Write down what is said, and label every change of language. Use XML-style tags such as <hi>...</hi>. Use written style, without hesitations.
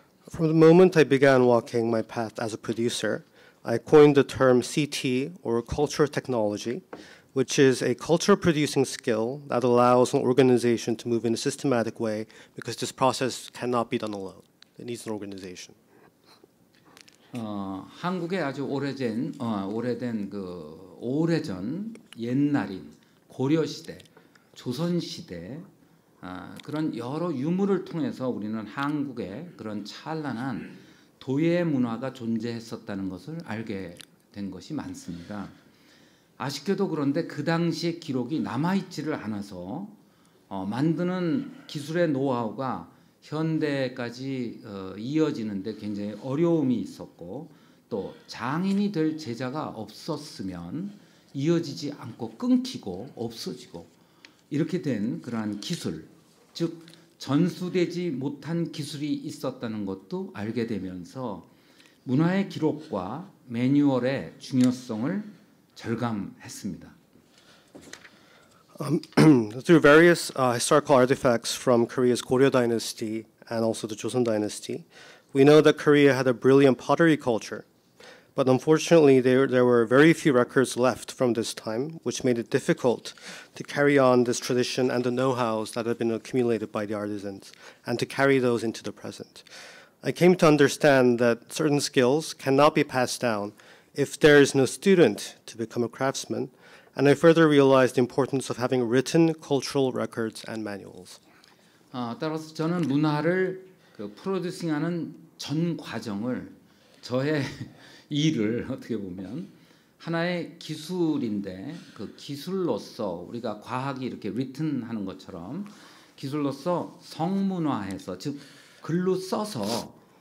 <en>From the moment I began walking my path as a producer, I coined the term CT or culture technology, which is a culture producing skill that allows an organization to move in a systematic way because this process cannot be done alone. It needs an organization.</en> <ko>한국의 아주 오래전 옛날인 고려 시대, 조선 시대 그런 여러 유물을 통해서 우리는 한국의 그런 찬란한 도예 문화가 존재했었다는 것을 알게 된 것이 많습니다. 아쉽게도 그런데 그 당시의 기록이 남아있지를 않아서 만드는 기술의 노하우가 현대까지 이어지는데 굉장히 어려움이 있었고 또 장인이 될 제자가 없었으면 이어지지 않고 끊기고 없어지고 이렇게 된 그러한 기술, 즉 전수되지 못한 기술이 있었다는 것도 알게 되면서 문화의 기록과 매뉴얼의 중요성을 절감했습니다.</ko> <en>Through various historical artifacts from Korea's Goryeo dynasty and also the Joseon dynasty, we know that Korea had a brilliant pottery culture. But unfortunately, there were very few records left from this time, which made it difficult to carry on this tradition and the know-hows that had been accumulated by the artisans and to carry those into the present. I came to understand that certain skills cannot be passed down if there is no student to become a craftsman, and I further realized the importance of having written cultural records and manuals.</en> <ko>따라서 저는 문화를 프로듀싱하는 전 과정을 저의 일을 어떻게 보면 하나의 기술인데 그 기술로서 우리가 과학이 이렇게 written 하는 것처럼 기술로서 성문화해서 즉 글로 써서</ko>